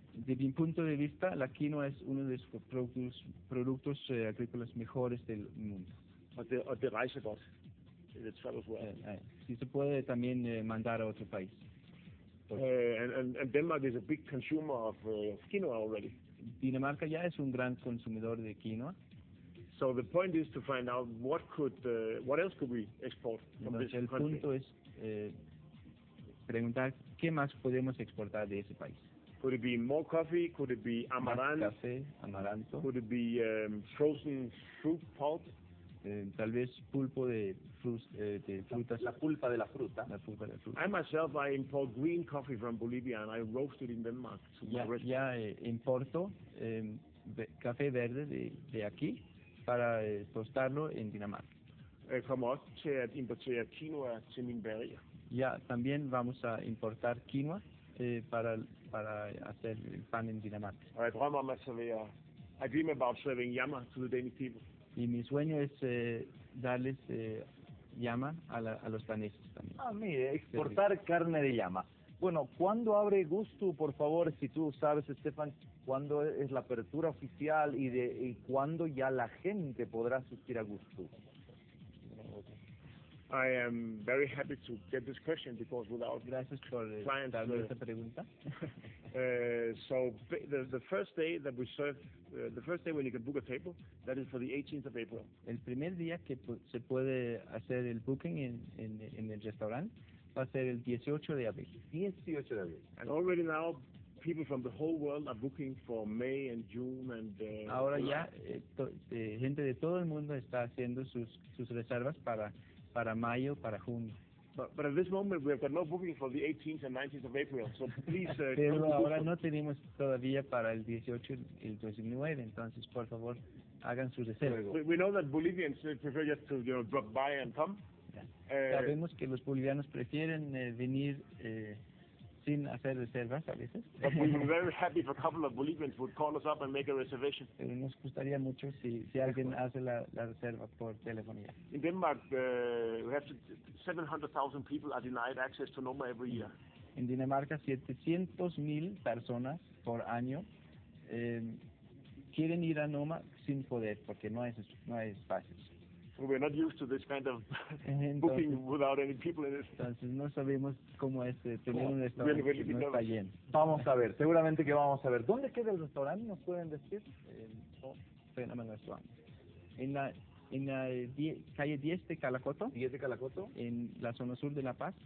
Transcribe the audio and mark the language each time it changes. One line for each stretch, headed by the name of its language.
Spanish: De min punto de vista, la quinoa es uno de los productos agrícolas mejores del mundo.
Danish: Og det rejser godt. Det
English: travels well.
Spanish: Si se puede también mandar a otro país.
English: And Denmark is a big consumer of quinoa already.
Spanish: Dinamarca ya es un gran consumidor de quinoa.
English: So the point is to find out what else could we export from this country.
Spanish: El punto es preguntar qué más podemos exportar de ese país.
English: Could it be more coffee? Could it be amaranth?
Spanish: Más café, amaranto.
English: Could it be frozen fruit pulp?
Spanish: Tal vez pulpo de frutas. La pulpa de la fruta. La pulpa de la fruta.
English: I import green coffee from Bolivia and I roast it in Denmark.
Spanish: Importo café verde de aquí para tostarlo en Dinamarca.
Danish: Kommer også til at importere quinoa til min bageri.
Spanish: Ya, también vamos a importar quinoa para hacer el pan en Dinamarca.
Danish: Og jeg drømmer om at servere.
English: I dream about serving yama to the Danish people.
Spanish: Y mi sueño es darles llama a los daneses también. Ah, mire, exportar carne de llama. Bueno, ¿cuándo abre Gusto, por favor, si tú sabes, Estefan, cuándo es la apertura oficial y cuándo ya la gente podrá asistir a Gusto?
English: I am very happy to get this question because without
Spanish: gracias por
English: clients,
Spanish: darme esta pregunta.
English: So the first day that we serve, the first day when you can book a table, that is for the 18th of April.
Spanish: El primer día que se puede hacer el booking en el restaurante va a ser el 18 de abril. 18 de abril.
English: And already now, people from the whole world are booking for May and June and.
Spanish: Ahora ya, gente de todo el mundo está haciendo sus reservas para mayo, para junio.
English: But at this moment we've got no booking for the 18th and 19th of April, so please.
Spanish: Pero ahora no tenemos todavía para el 18 y el 19, entonces por favor hagan su reserva.
English: We know that Bolivians prefer just to, you know, drop by and come.
Spanish: Sabemos que los bolivianos prefieren venir sin hacer reservas a veces.
English: But we'd be very happy if a couple of Bolivians would call us up and make a reservation.
Spanish: Pero nos gustaría mucho si alguien hace la reserva por telefonía.
English: In Denmark, we have 700,000 people are denied access to NOMA every year.
Spanish: En Dinamarca, 700,000 personas por año quieren ir a NOMA sin poder, porque no hay espacios.
English: We're not used to this kind of booking without any people in it.
Spanish: Entonces, no sabemos cómo es tener un restaurante que no está lleno. Vamos a ver, seguramente que vamos a ver. ¿Dónde queda el restaurante? ¿Nos pueden decir? Fenómeno restaurante. En la calle 10 de Calacoto. 10 de Calacoto. En la zona sur de La Paz.